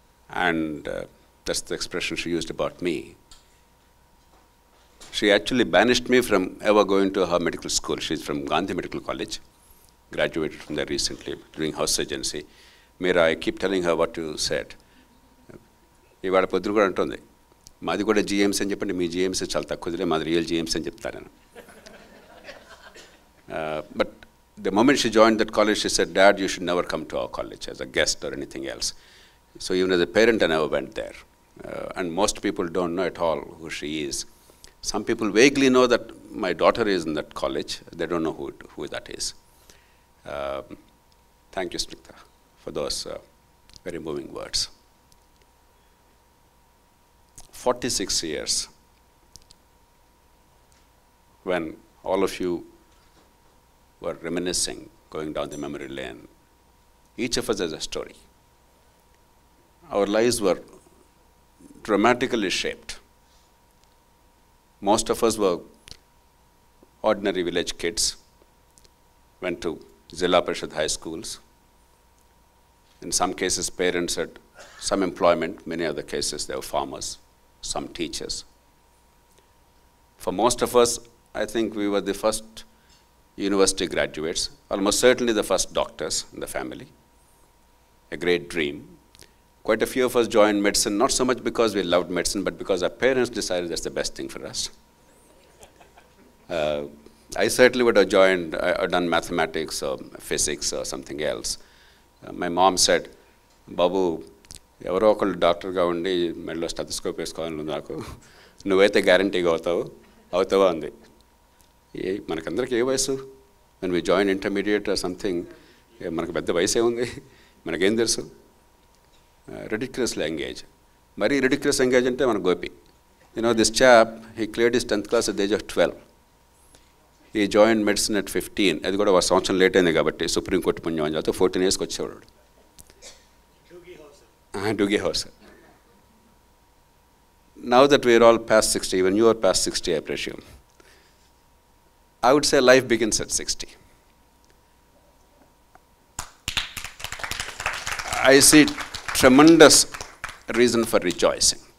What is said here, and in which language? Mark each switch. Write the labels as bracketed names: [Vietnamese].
[English] And that's the expression she used about me. She actually banished me from ever going to her medical school. She's from Gandhi Medical College, graduated from there recently, doing house surgery. Meera, I keep telling her what you said. [Telugu] Ivada podru kuda antundi. మాది కూడా GMC అని చెప్పండి, మీ GMC చాలా తక్కువదిలే, మాది real GMC అని చెప్తాను నేను. [English] But the moment she join that college she said dad you should never come to our college as a guest or anything else. So even as a parent I never went there. And most people don't know at all who she is. Some people vaguely know that my daughter is in that college, they don't know who that is. Thank you Smita for those very moving words. 46 years, when all of you were reminiscing, going down the memory lane, each of us has a story. Our lives were dramatically shaped. Most of us were ordinary village kids, went to Zilla Parishad high schools. In some cases, parents had some employment. Many other cases, they were farmers. Some teachers. For most of us, I think we were the first university graduates, almost certainly the first doctors in the family. A great dream. Quite a few of us joined medicine, not so much because we loved medicine, but because our parents decided that's the best thing for us. I certainly would have joined or done mathematics or physics or something else. My mom said, [Telugu] Babu, ఎవరో ఒకళ్ళు డాక్టర్గా ఉండి మెడలో stethoscope వేసుకోవాలని నాకు, నువ్వైతే గ్యారంటీగా అవుతావు అంది. ఏ మనకందరికి ఏ వయసు? [English] and we join intermediate or something, [Telugu] మనకు పెద్ద వయసు ఏముంది, మనకేం తెలుసు? [English] Ridiculous language. [Telugu] మరీ రిడిక్యులస్ లాంగ్వేజ్ అంటే మన Gopi. [English] You know this chap, he cleared his 10th class at age of 12. He join medicine at 15. [Telugu] అది కూడా ఒక సంవత్సరం లేట్ అయింది కాబట్టి, సుప్రీంకోర్టు పుణ్యం అని చెప్తే 14 ఇయర్స్కి వచ్చేవాడు. [English] And to give her, sir. Now that we are all past 60, even you are past 60, I presume, I would say life begins at 60. I see tremendous reason for rejoicing.